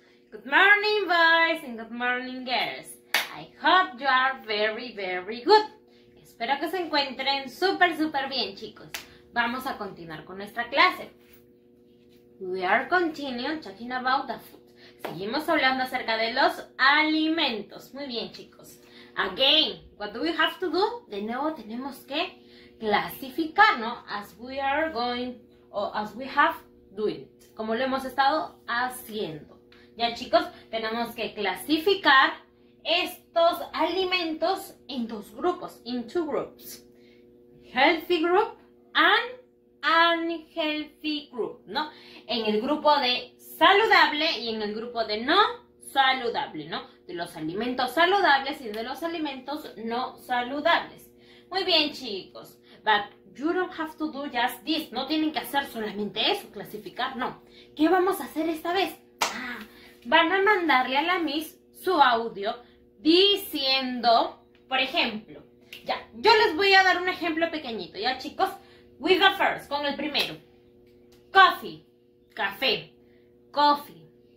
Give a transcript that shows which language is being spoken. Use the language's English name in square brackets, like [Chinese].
[English] Good morning, boys and good morning, girls. I hope you are very, very good. [Spanish] Espero que se encuentren súper, súper bien, chicos. Vamos a continuar con nuestra clase. [English] We are continuing talking about the food. [Spanish] Seguimos hablando acerca de los alimentos. Muy bien, chicos. [English] Again, what do we have to do? [Spanish] De nuevo, tenemos que clasificar, ¿no? [English] As we are going, o as we have doing. [Spanish] Como lo hemos estado haciendo. Ya, chicos, tenemos que clasificar estos alimentos en dos grupos, [English] in two groups. Healthy group and unhealthy group, ¿no? [Spanish] En el grupo de saludable y en el grupo de no saludable, ¿no? De los alimentos saludables y de los alimentos no saludables. Muy bien, chicos. [English] But you don't have to do just this. [Spanish] No tienen que hacer solamente eso, clasificar, no. ¿Qué vamos a hacer esta vez? Van a mandarle a la Miss su audio diciendo, por ejemplo, ya, yo les voy a dar un ejemplo pequeñito, ya, chicos. [English] With the first, [Spanish] con el primero. [English] Coffee, café, coffee.